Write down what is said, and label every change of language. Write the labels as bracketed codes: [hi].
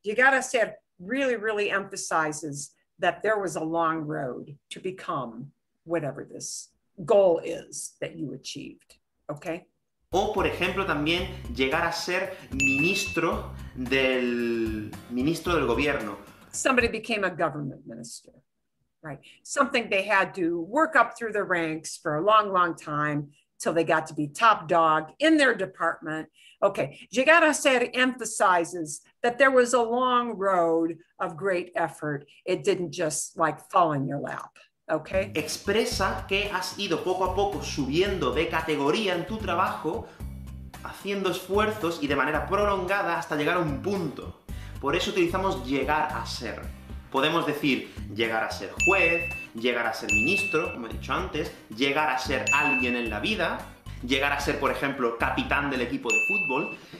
[en] Llegar a ser really, really emphasizes that there was a long road to become whatever this goal is that you achieved, okay? [es] O, por ejemplo, también llegar a ser ministro del gobierno. [en] Somebody became a government minister, right? Something they had to work up through the ranks for a long, long time till they got to be top dog in their department. Okay, llegar a ser emphasizes that there was a long road of great effort. It didn't just like fall in your lap. Okay. [es] Expresa que has ido poco a poco subiendo de categoría en tu trabajo, haciendo esfuerzos y de manera prolongada hasta llegar a un punto. Por eso utilizamos llegar a ser. Podemos decir llegar a ser juez, llegar a ser ministro, como he dicho antes, llegar a ser alguien en la vida, llegar a ser, por ejemplo, capitán del equipo de fútbol.